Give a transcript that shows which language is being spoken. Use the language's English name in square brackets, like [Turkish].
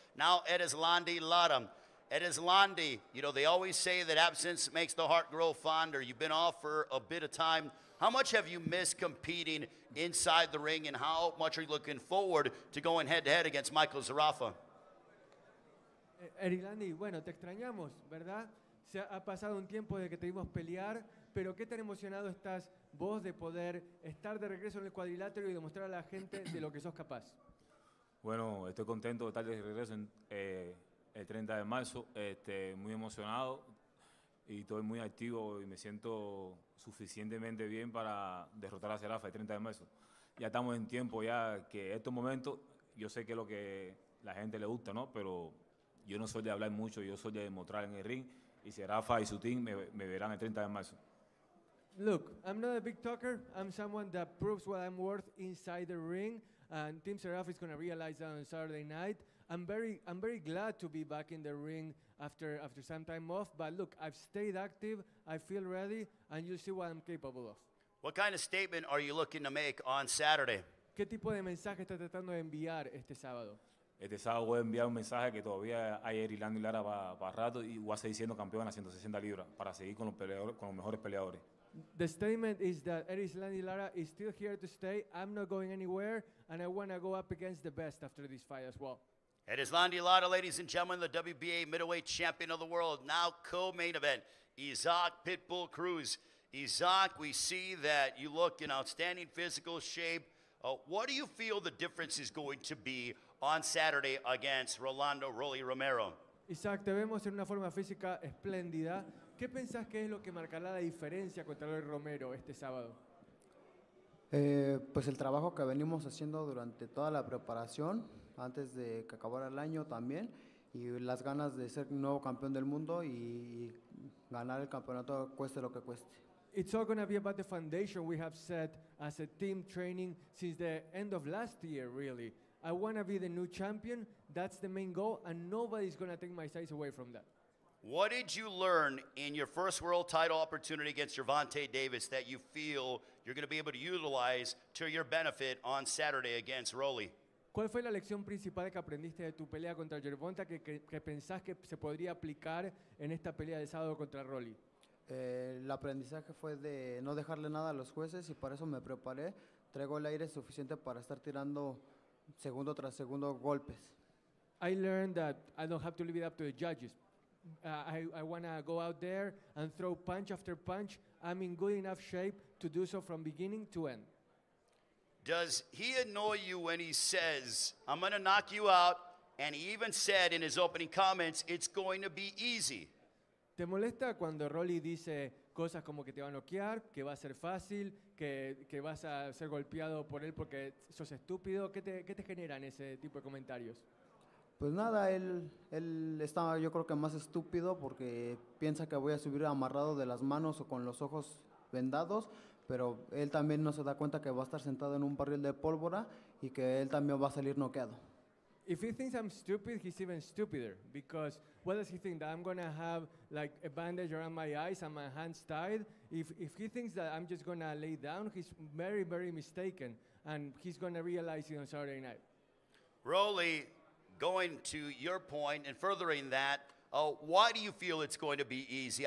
[English] Now, Erislandy Lara. Erislandy, you know, they always say that absence makes the heart grow fonder. You've been off for a bit of time. How much have you missed competing inside the ring, and how much are you looking forward to going head-to-head against Michael Zerafa? [Spanish] Erislandy, bueno, te extrañamos, ¿verdad? Se ha pasado un tiempo de que te vimos pelear, pero qué tan emocionado estás vos de poder estar de regreso en el cuadrilátero y demostrar a la gente de lo que sos capaz. Bueno, estoy contento de estar de regreso en, el 30 de marzo, muy emocionado y estoy muy activo y me siento suficientemente bien para derrotar a Zerafa el 30 de marzo. Ya estamos en tiempo ya que estos momentos, yo sé que es lo que la gente le gusta, ¿no? Pero yo no soy de hablar mucho, yo soy de demostrar en el ring y Zerafa y su team me verán el 30 de marzo. [English] Look, I'm not a big talker. I'm someone that proves what I'm worth inside the ring. And Tim Tszyu is going to realize that on Saturday night. I'm very glad to be back in the ring after some time off. But look, I've stayed active. I feel ready. And you'll see what I'm capable of. What kind of statement are you looking to make on Saturday? [Spanish] ¿Qué tipo de mensaje está tratando de enviar este sábado? Este sábado voy a enviar un mensaje que todavía hay Erislandy Lara para rato. Y voy a seguir siendo campeón a 160 libras para seguir con los mejores peleadores. [English] The statement is that Erislandy Lara is still here to stay. I'm not going anywhere, and I want to go up against the best after this fight as well. Erislandy Lara, ladies and gentlemen, the WBA middleweight champion of the world, now co-main event, Isaac Pitbull Cruz. Isaac, we see that you look in outstanding physical shape. What do you feel the difference is going to be on Saturday against Rolando Rolly Romero? [Spanish] Isaac, te vemos en una forma física espléndida. ¿Qué pensás que es lo que marcará la diferencia contra Rolly Romero este sábado? Pues el trabajo que venimos haciendo durante toda la preparación, antes de que acabara el año también, y las ganas de ser nuevo campeón del mundo y ganar el campeonato cueste lo que cueste. [English] It's all going to be about the foundation we have set as a team training since the end of last year, really. I want to be the new champion, that's the main goal, and nobody's going to take my size away from that. What did you learn in your first world title opportunity against Gervonta Davis that you feel you're going to be able to utilize to your benefit on Saturday against Rolly? [Spanish] ¿Cuál fue la lección principal que aprendiste de tu pelea contra Gervonta que pensás que se podría aplicar en esta pelea de sábado contra Rolly? El aprendizaje fue de no dejarle nada a los jueces y para eso me preparé. Traigo el aire suficiente para estar tirando segundo tras segundo golpes. [English] I learned that I don't have to leave it up to the judges. I want to go out there and throw punch after punch. I'm in good enough shape to do so from beginning to end. Does he annoy you when he says, I'm going to knock you out, and he even said in his opening comments, it's going to be easy? [Spanish] ¿Te molesta cuando Rolly dice cosas como que te va a noquear, que va a ser fácil, que vas a ser golpeado por él porque sos estúpido? ¿Qué te generan ese tipo de comentarios? Pues nada, él estaba, yo creo que más estúpido porque piensa que voy a subir amarrado de las manos o con los ojos vendados, pero él también no se da cuenta que va a estar sentado en un barril de pólvora y que él también va a salir noqueado. [English] If he thinks I'm stupid, he's even stupider, because what does he think, that I'm going to have like a bandage around my eyes and my hands tied? If he thinks that I'm just going to lay down, he's very, very mistaken, and he's going to realize it on Saturday night. Rolly, going to your point and furthering that, why do you feel it's going to be easy?